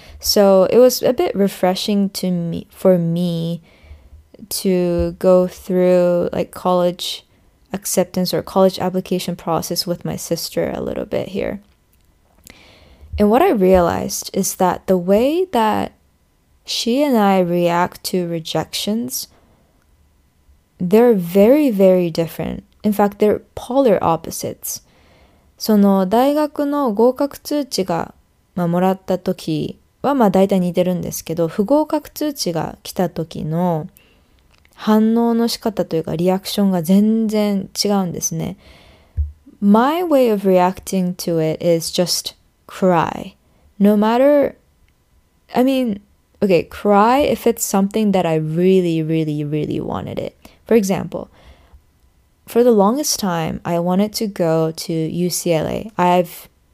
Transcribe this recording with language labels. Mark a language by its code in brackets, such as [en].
[en] So it was a bit refreshing to me, for me to go through like college acceptance or college application process with my sister a little bit here. And what I realized is that the way that she and I react to rejections, they're very, very different. In fact, they're polar opposites. [ja] その大学の合格通知がまあ、もらった時はまあ大体似てるんですけど、不合格通知が来た時の反応の仕方というかリアクションが全然違うんですね。 [en] My way of reacting to it is just cry. No matter, I mean, okay, cry if it's something that I really, really, really wanted it. For example, for the longest time, I wanted to go to UCLA. I've...